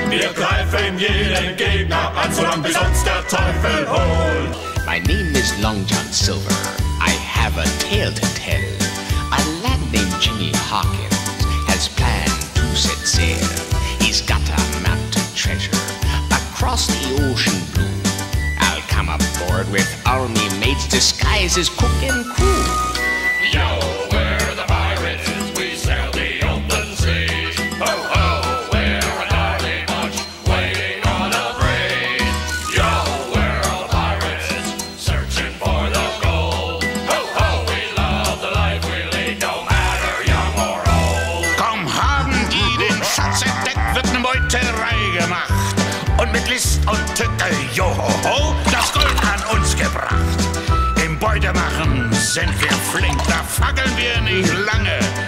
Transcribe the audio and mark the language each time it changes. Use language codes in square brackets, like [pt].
[de] Wir greifen jeden Gegner an, solange bis uns der Teufel holt. [en] My name is Long John Silver, I have a tale to tell. A lad named Jimmy Hawkins has planned to set sail. He's got a mountain treasure across the ocean blue. I'll come aboard with all me mates disguised as cook and crew. Yo, we're the pirates, we sail the open seas. Ho, ho, we're a naughty bunch waiting on a breeze. Yo, we're all pirates searching for the gold. Ho, ho, we love the life we lead, no matter young or old. [de] Komm, haben die den Schatz entdeckt? Wird ne Meuterei gemacht und mit List und Tücke, johoho, das Gold an uns gebracht. Im Beutemachen sind wir flink, da fackeln wir nicht lange.